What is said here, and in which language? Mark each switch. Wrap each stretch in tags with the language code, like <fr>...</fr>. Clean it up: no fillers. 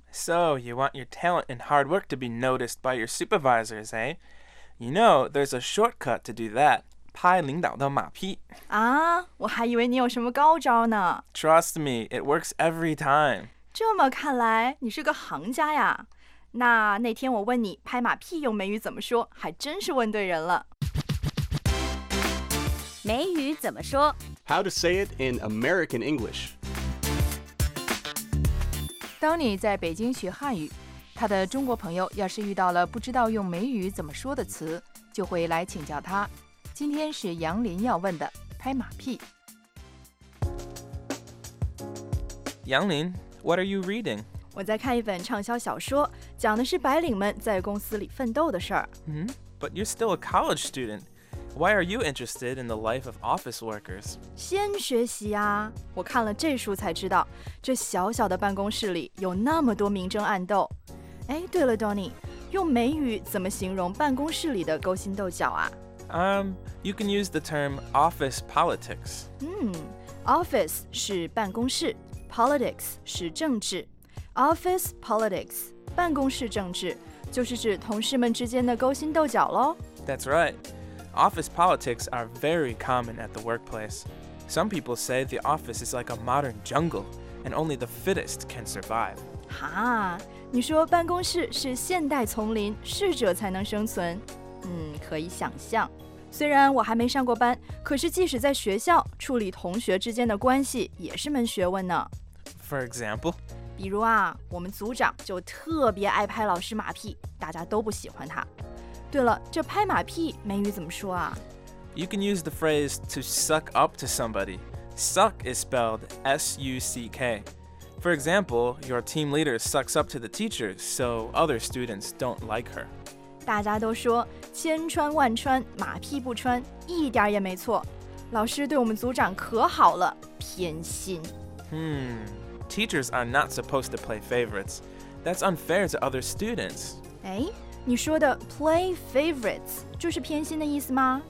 <en>So, you want your talent and hard work to be noticed by your supervisors, eh? You know, there's a shortcut to do that.</en> <zh>拍领导的马屁。啊，我还以为你有什么高招呢。</zh> <en>Trust me, it works every time.</en> <zh>这么看来，你是个行家呀。那天我问你拍马屁用美语怎么说，还真是问对人了。美语怎么说？</zh> <en>How to say it in American English.</en> <zh>Tony 在北京学汉语，他的中国朋友要是遇到了不知道用美语怎么说的词，就会来请教他。今天是杨林要问的，拍马屁。</zh> <en>杨林 ，What are you reading？</en> <zh>我在看一本畅销小说，讲的是白领们在公司里奋斗的事儿。</zh> <en>But you're still a college student. Why are you interested in the life of office workers？</en> <zh>先学习啊！我看了这书才知道。这小小的办公室里有那么多明争暗斗。哎，对了 ，Donny， 用美语怎么形容办公室里的勾心斗角啊</zh> <en>？You can use the term office politics.</en> <zh>Office 是办公室 ，politics 是政治。 Office politics 办公室政治就是指同事们之间的勾心斗角喽。</zh> <en>That's right. Office politics are very common at the workplace. Some people say the office is like a modern jungle, and only the fittest can survive.</en> <zh>哈，你说办公室是现代丛林，适者才能生存。可以想象。虽然我还没上过班，可是即使在学校，处理同学之间的关系也是门学问呢。</zh> <en>For example?</en> <zh>比如啊，我们组长就特别爱拍老师马屁，大家都不喜欢他。对了，这拍马屁美语怎么说啊？</zh> <en>You can use the phrase to suck up to somebody. Suck is spelled S-U-C-K. For example, your team leader sucks up to the teacher, so other students don't like her.</en> <zh>大家都说千穿万穿，马屁不穿，一点也没错。老师对我们组长可好了，偏心。</zh> <en>Teachers are not supposed to play favorites. That's unfair to other students.</en> <zh>哎，你说的 play favorites 就是偏心的意思吗？</zh>